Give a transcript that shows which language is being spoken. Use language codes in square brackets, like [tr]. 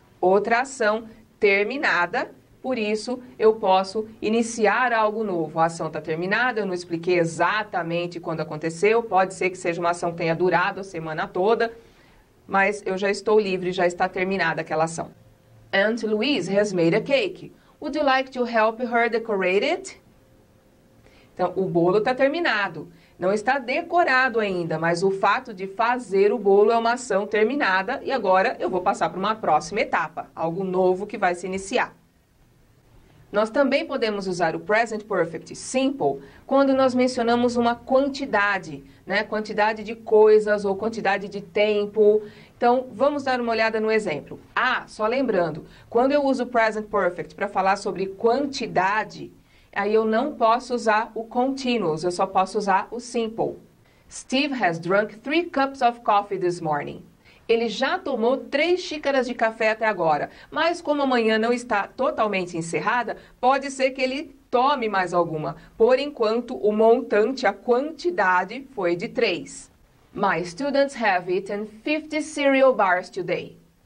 [pt] Outra ação terminada, por isso eu posso iniciar algo novo. A ação está terminada, eu não expliquei exatamente quando aconteceu, pode ser que seja uma ação que tenha durado a semana toda. Mas eu já estou livre, já está terminada aquela ação. [en] Aunt Louise has made a cake. Would you like to help her decorate it? [pt] Então, o bolo está terminado. Não está decorado ainda, mas o fato de fazer o bolo é uma ação terminada e agora eu vou passar para uma próxima etapa, algo novo que vai se iniciar. Nós também podemos usar o Present Perfect Simple quando nós mencionamos uma quantidade, né? Quantidade de coisas ou quantidade de tempo. Então, vamos dar uma olhada no exemplo. Ah, só lembrando, quando eu uso o Present Perfect para falar sobre quantidade, aí eu não posso usar o Continuous, eu só posso usar o Simple. [en] Steve has drunk 3 cups of coffee this morning. [pt] Ele já tomou 3 xícaras de café até agora, mas como amanhã não está totalmente encerrada, pode ser que ele tome mais alguma. Por enquanto, o montante, a quantidade, foi de 3. [en] My students have eaten 50 cereal bars today.